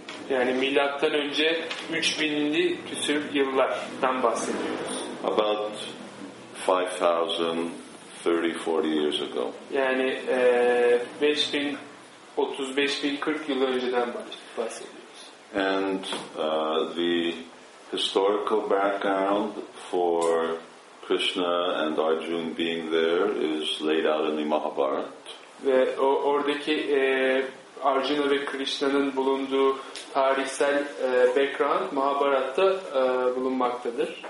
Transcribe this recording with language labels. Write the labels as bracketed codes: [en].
[tr] Yani milattan önce 3000'li küsur yıllardan bahsediyoruz. [en] About 5000. 30-40 years ago. [tr] Yani 5000, 35000, 40 yıl önceden bahsediyoruz. [en] And the historical background for Krishna and Arjuna being there is laid out in the Mahabharata. [tr] Ve oradaki Arjuna ve Krishna'nın bulunduğu tarihsel background Mahabharat'ta bulunmaktadır.